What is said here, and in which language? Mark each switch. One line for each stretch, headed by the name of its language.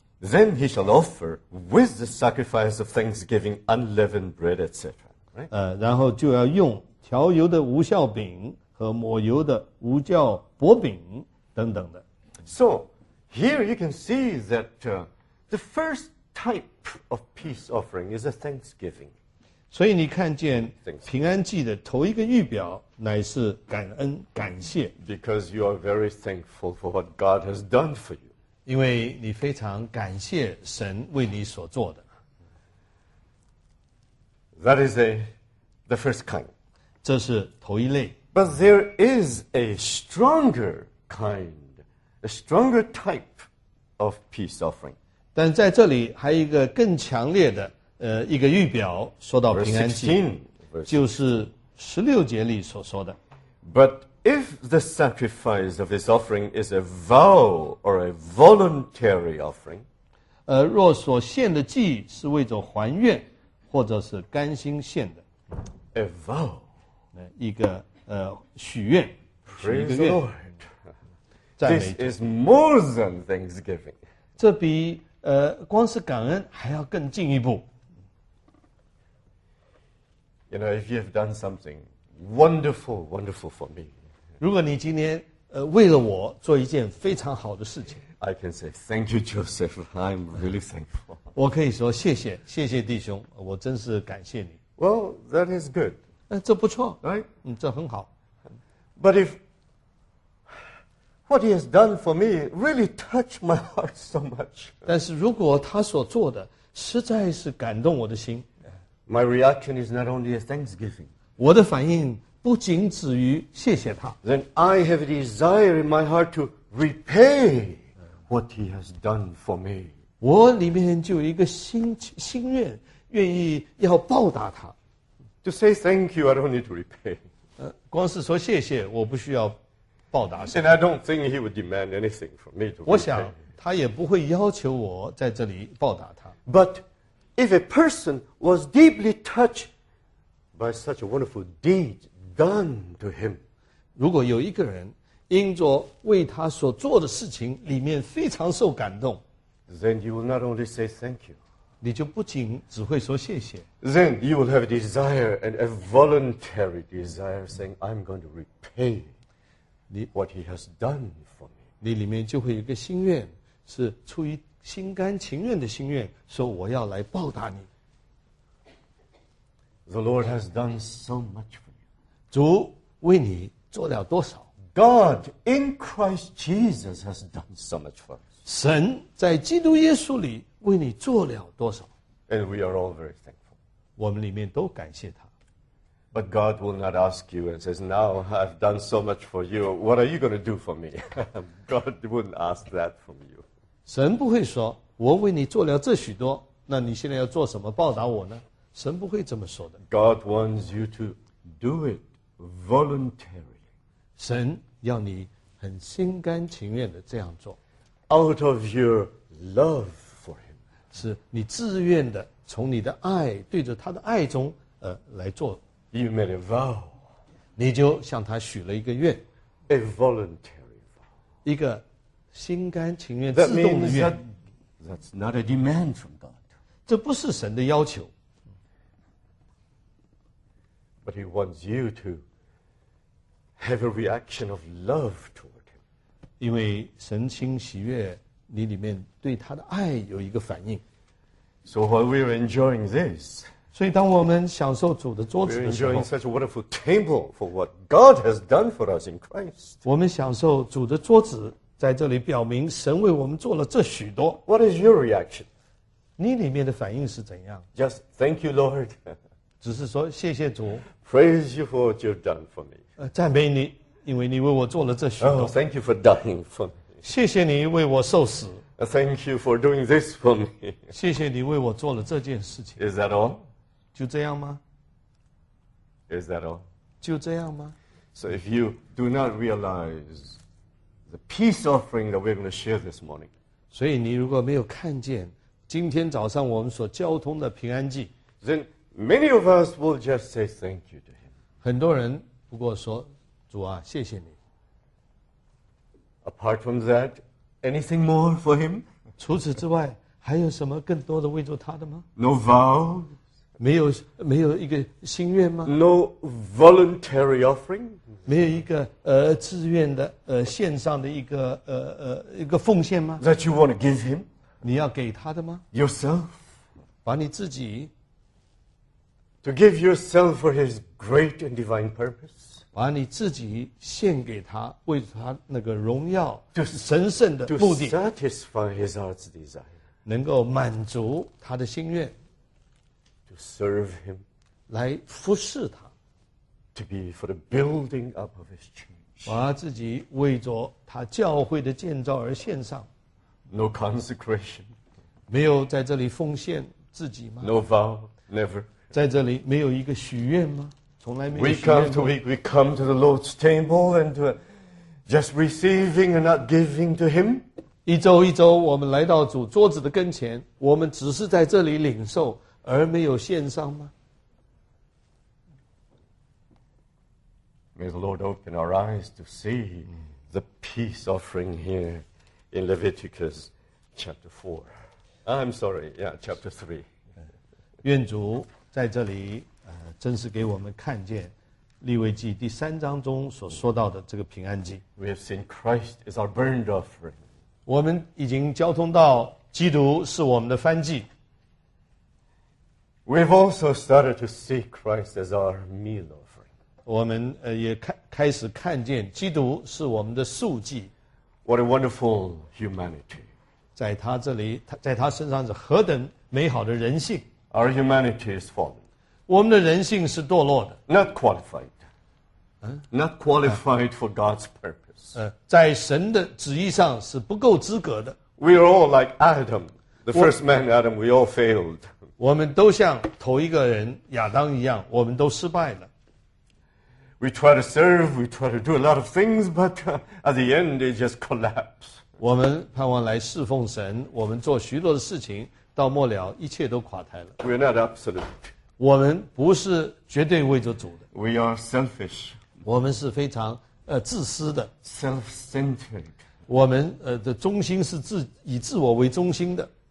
English: then he shall offer with the sacrifice of thanksgiving unleavened bread, etc. Right?
Chinese: 然后就要用调油的无酵饼和抹油的无酵薄饼等等的。
English: So, here you can see that the first type of peace offering is a thanksgiving.
Chinese: 所以你看见平安祭的头一个预表乃是感恩感谢。
English: Because you are very thankful for what God has done for you.
Chinese: 因为你非常感谢神为你所做的。
English: That is the first kind.
Chinese: 这是头一类。
English: But there is a stronger kind, a stronger type of peace offering.
Chinese: 但在这里还有一个更强烈的一个预表说到平安祭。就是16节里所说的。
English: But if the sacrifice of his offering is a vow or a voluntary offering,
Chinese: 若所献的祭是为着还愿或者是甘心献的。
English: A vow.
Chinese: 一个许愿。
English: Praise the Lord. This is more than thanksgiving.
Chinese: 这比光是感恩还要更进一步。
English: You know, if you have done something wonderful, wonderful for me.
Chinese: 如果你今天为了我做一件非常好的事情。
English: I can say, thank you, Joseph. I'm really thankful.
Chinese: 我可以说谢谢，谢谢弟兄，我真是感谢你。
English: Well, that is good.
Chinese: 这不错。
English: Right?
Chinese: 这很好。
English: But if what he has done for me really touched my heart so much.
Chinese: 但是如果他所做的实在是感动我的心。
English: My reaction is not only a thanksgiving.
Chinese: 我的反应不仅止于谢谢他。
English: Then I have a desire in my heart to repay what he has done for me.
Chinese: 我里面就有一个心愿愿意要报答他。
English: To say thank you, I don't need to repay.
Chinese: 光是说谢谢我不需要报答。
English: And I don't think he would demand anything from me to repay.
Chinese: 我想他也不会要求我在这里报答他。
English: But if a person was deeply touched by such a wonderful deed done to him.
Chinese: 如果有一个人因着为他所做的事情里面非常受感动。
English: Then you will not only say thank you.
Chinese: 你就不仅只会说谢谢。
English: Then you will have a desire and a voluntary desire saying, I'm going to repay what he has done for me.
Chinese: 你里面就会有一个心愿是出于心甘情愿的心愿说我要来报答你。
English: The Lord has done so much for you.
Chinese: 主为你做了多少。
English: God in Christ Jesus has done so much for us.
Chinese: 神在基督耶稣里为你做了多少。
English: And we are all very thankful.
Chinese: 我们里面都感谢他。
English: But God will not ask you and says, now I've done so much for you, what are you going to do for me? God wouldn't ask that from you.
Chinese: 神不会说我为你做了这许多那你现在要做什么报答我呢神不会这么说的。
English: God wants you to do it voluntarily.
Chinese: 神要你很心甘情愿的这样做
English: out of your love for him
Chinese: 是你自愿的从你的爱对着他的爱中来做
English: you made a vow
Chinese: 你就向他许了一个愿
English: a voluntary vow
Chinese: 一个心甘情愿自动的愿
English: that's not a demand from God
Chinese: 这不是神的要求
English: but he wants you toHave a reaction of love toward him.
Chinese: 因为神清喜悦你里面对他的爱有一个反应。
English: So while we are enjoying this,
Chinese: 所以当我们享受主的桌子的时候
English: we are enjoying such a wonderful table for what God has done for us in Christ.
Chinese: 我们享受主的桌子在这里表明神为我们做了这许多。
English: What is your reaction?
Chinese: 你里面的反应是怎样
English: Just thank you, Lord.
Chinese: 只是说谢谢主。
English: Praise you for what you've done for me.
Chinese: 赞美你，因为你为我做了这许多。
English: Oh, thank you for dying for me.
Chinese: 谢谢你为我受死。
English: Thank you for doing this for me.
Chinese: 谢谢你为我做了这件事情。
English: Is that all?
Chinese: 就这样吗？
English: Is that all?
Chinese: 就这样吗？
English: So if you do not realize the peace offering that we're going to share this morning.
Chinese: 所以你如果没有看见今天早上我们所交通的平安祭
English: then Many of us will just say thank you to him.
Chinese: 很多人不过说，主啊，谢谢你。
English: Apart from that, anything more for him?
Chinese: 除此之外，还有什么更多的为着他的吗
English: ？No vow.
Chinese: 没有一个心愿吗
English: ？No voluntary offering.
Chinese: 没有一个自愿的献上的一个奉献吗
English: ？That you want to give him?
Chinese: 你要给他的吗
English: ？Yourself.
Chinese: 把你自己。
English: To give yourself for his great and divine purpose.
Chinese: 把你自己献给他，为他那个荣耀神圣的目的。
English: To satisfy his heart's desire.
Chinese: 能够满足他的心愿。
English: To serve him.
Chinese: 来服侍他。
English: To be for the building up of his church.
Chinese: 把自己为着他教会的建造而献上。
English: No consecration.
Chinese: 没有在这里奉献自己吗
English: ？No vow, never.
Chinese: 在这里没有一个许愿吗？从来没有许愿。
English: Week after week, we come to the Lord's table and just receiving and not giving to Him.
Chinese: 一周一周，我们来到主桌子的跟前，我们只是在这里领受，而没有献上吗
English: ？May the Lord open our eyes to see the peace offering here in Leviticus chapter 4. I'm sorry, yeah, chapter 3.
Chinese: 愿主在这里，真是给我们看见《利未记》第三章中所说到的这个平安祭。
English: We have seen Christ is our burnt offering.
Chinese: 我们已经交通到基督是我们的燔祭。
English: We've also started to see Christ as our meal offering.
Chinese: 我们也开始看见基督是我们的素祭。
English: What a wonderful humanity!
Chinese: 在他这里，在他身上是何等美好的人性。
English: Our humanity is fallen.
Chinese: 我们的人性是堕落的。
English: Not qualified. Not qualified for God's purpose.
Chinese: 在神的旨意上是不够资格的。
English: We are all like Adam, the first man, Adam. We all failed.
Chinese: 我们都像头一个人亚当一样，我们都失败了。
English: We try to serve. We try to do a lot of things, but at the end, they just collapse.
Chinese: 我们盼望来侍奉神，我们做许多的事情。到末了，一切都垮台了。
English: We're not absolute.
Chinese: 我们不是绝对为着主的。
English: We are selfish.
Chinese: 我们是非常自私的。
English: Self-centered.
Chinese: 我们的中心是以自我为中心的。